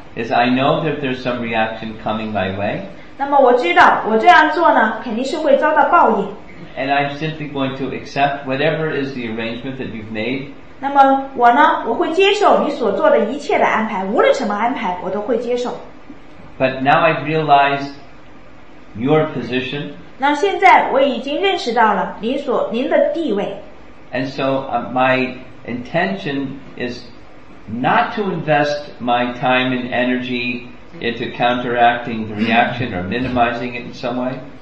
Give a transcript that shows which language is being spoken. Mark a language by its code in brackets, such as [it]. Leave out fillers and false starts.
[en] is I know that there's some reaction coming my way. [zh] 那么我知道我这样做呢，肯定是会遭到报应。 [en] And I'm simply going to accept whatever is the arrangement that you've made. [zh] 那么我呢，我会接受你所做的一切的安排，无论什么安排，我都会接受。 [en] But now I've realized your position. [zh] 那现在我已经认识到了您的地位。 [en] And so my intention is not to invest my time and energy into counteracting the reaction or minimizing it in some way.